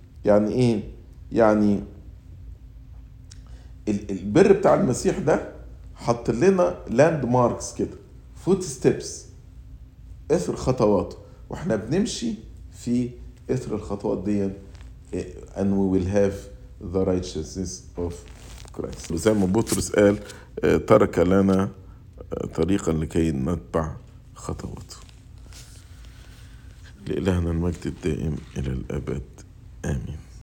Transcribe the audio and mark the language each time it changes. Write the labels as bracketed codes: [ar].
[ar] يعني ايه؟ يعني البر بتاع المسيح ده حط لنا landmarks كده. [en] footsteps. [ar] اثر خطواته. واحنا بنمشي في اثر الخطوات دي. [en] And we will have the righteousness of Christ. [ar] وزي ما بطرس قال ترك لنا طريقا لكي نتبع خطواته. لإلهنا المجد الدائم إلى الأبد آمين.